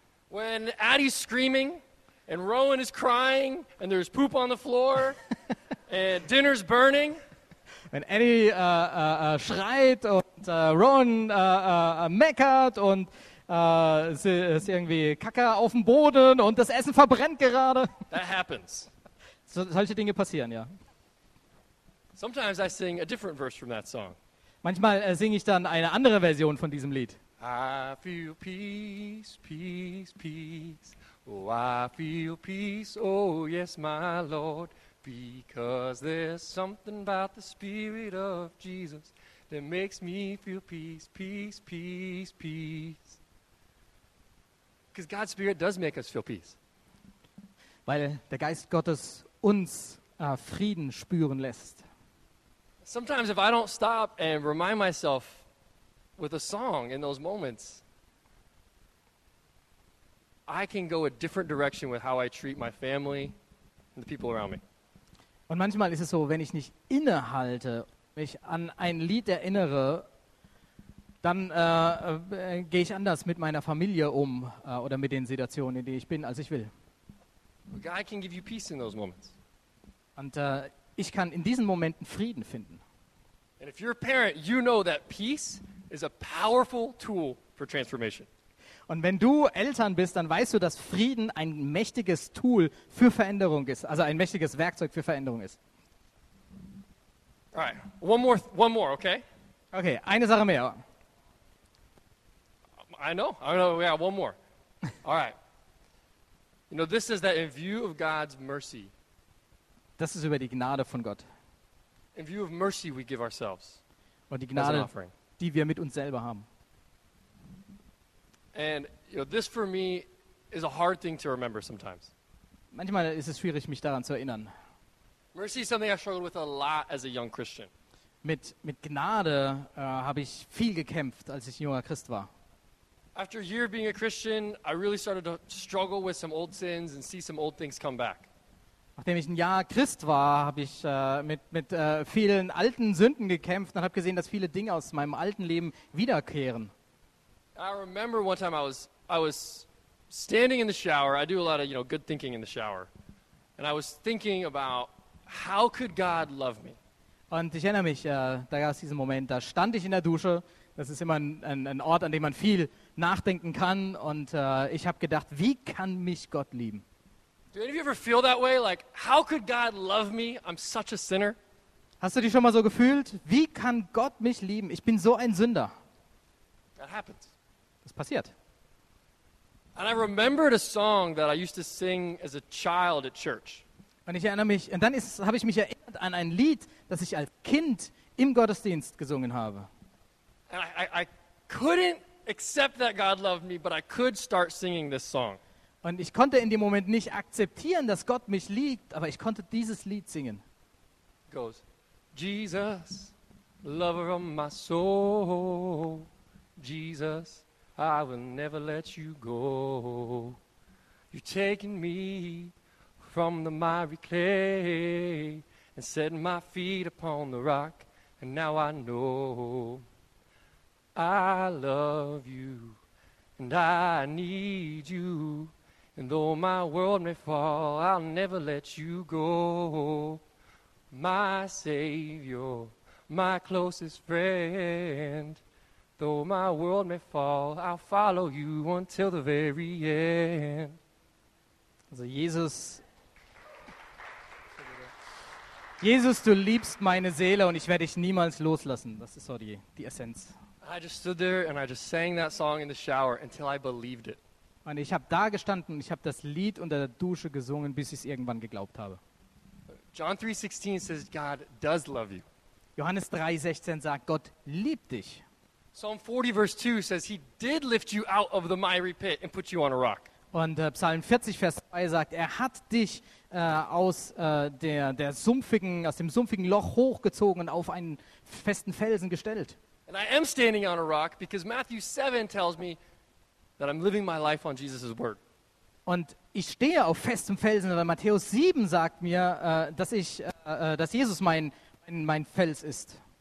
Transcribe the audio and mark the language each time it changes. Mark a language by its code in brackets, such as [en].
[en] When Addie's screaming and Rowan is crying and there's poop on the floor and dinner's burning. [de] Wenn Annie schreit und Rowan meckert und sie ist irgendwie Kacke auf dem Boden und das Essen verbrennt gerade. [en] That happens. [de] Solche Dinge passieren, ja. [en] Sometimes I sing a different verse from that song. [de] Manchmal singe ich dann eine andere Version von diesem Lied. [en] I feel peace, peace, peace. Oh, I feel peace, oh yes, my Lord. Because there's something about the Spirit of Jesus that makes me feel peace, peace, peace, peace. Because God's Spirit does make us feel peace. [de] Weil der Geist Gottes uns Frieden spüren lässt. [en] Sometimes if I don't stop and remind myself with a song in those moments, I can go a different direction with how I treat my family and the people around me. [de] Und manchmal ist es so, wenn ich nicht innehalte, mich an ein Lied erinnere, dann gehe ich anders mit meiner Familie um oder mit den Situationen, in denen ich bin, als ich will. [en] God can give you peace in those moments. [de] Und ich kann in diesen Momenten Frieden finden. [en] And if you're a parent, you know that peace is a powerful tool for transformation. [de] Und wenn du Eltern bist, dann weißt du, dass Frieden ein mächtiges Tool für Veränderung ist, also ein mächtiges Werkzeug für Veränderung ist. [en] All right, one more, okay? [de] Okay, eine Sache mehr. [en] I know, yeah, one more. All right. You know, this is that in view of God's mercy. [de] Das ist über die Gnade von Gott. [en] In view of mercy we give ourselves. [de] Und die Gnade, die wir mit uns selber haben. [en] And you know, this for me is a hard thing to remember sometimes. [de] Manchmal ist es schwierig, mich daran zu erinnern. [en] Mercy is something I struggled with a lot as a young Christian. [de] Mit Gnade habe ich viel gekämpft, als ich junger Christ war. [en] After a year being a Christian, I really started to struggle with some old sins and see some old things come back. [de] Nachdem ich ein Jahr Christ war, habe ich mit vielen alten Sünden gekämpft und habe gesehen, dass viele Dinge aus meinem alten Leben wiederkehren. [en] I remember one time I was standing in the shower. I do a lot of, you know, good thinking in the shower. And I was thinking about how could God love me? [de] Und ich erinnere mich, da gab es diesen Moment, da stand ich in der Dusche. Das ist immer ein Ort, an dem man viel nachdenken kann. Und ich habe gedacht, wie kann mich Gott lieben? [en] Do any of you ever feel that way? Like, how could God love me? I'm such a sinner. [de] Hast du dich schon mal so gefühlt? Wie kann Gott mich lieben? Ich bin so ein Sünder. [en] That happens. [de] Das passiert. [en] And I remembered a song that I used to sing as a child at church. [de] Und ich erinnere mich, und dann habe ich mich erinnert an ein Lied, das ich als Kind im Gottesdienst gesungen habe. [en] And I couldn't accept that God loved me, but I could start singing this song. [de] Und ich konnte in dem Moment nicht akzeptieren, dass Gott mich liebt, aber ich konnte dieses Lied singen. [en] It goes, Jesus, lover of my soul, Jesus, I will never let you go. You've taken me from the miry clay and set my feet upon the rock, and now I know I love you and I need you. And though my world may fall, I'll never let you go. My Savior, my closest friend. Though my world may fall, I'll follow you until the very end. [de] Also Jesus, Jesus, du liebst meine Seele und ich werde dich niemals loslassen. Das ist so die Essenz. [en] I just stood there and I just sang that song in the shower until I believed it. [de] Und ich habe da gestanden und ich habe das Lied unter der Dusche gesungen, bis ich es irgendwann geglaubt habe. [en] John 3:16 says God does love you. [de] Johannes 3:16 sagt, Gott liebt dich. [en] Psalm 40 verse 2 says he did lift you out of the miry pit and put you on a rock. [de] Und Psalm 40 Vers 2 sagt, er hat dich aus dem sumpfigen Loch hochgezogen und auf einen festen Felsen gestellt. [en] And I am standing on a rock because Matthew 7 tells me that I'm living my life on Jesus' word. [de] Und ich stehe auf festem Felsen, weil Matthäus 7 sagt mir, dass Jesus mein Fels ist.